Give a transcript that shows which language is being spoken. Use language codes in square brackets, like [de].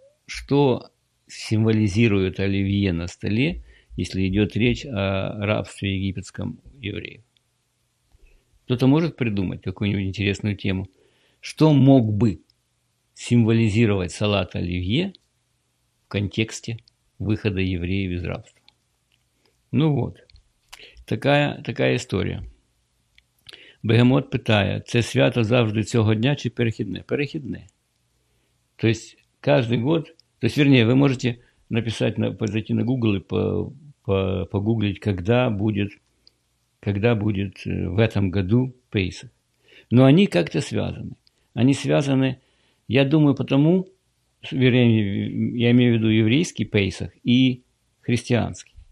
[ru] что символизирует оливье на столе, если идет речь о рабстве египетском евреев. Кто-то может придумать какую-нибудь интересную тему, что мог бы символизировать салат оливье в контексте выхода евреев из рабства. Ну вот, такая история. [uk] Бегемот питає, це свято завжди цього дня чи перехідне? Перехідне. [ru] То есть каждый год. То есть, вернее, вы можете написать, зайти на Google и погуглить, когда будет в этом году Пейсах. Но они как-то связаны. Они связаны, я думаю, потому, вернее, я имею в виду еврейский Пейсах и христианский.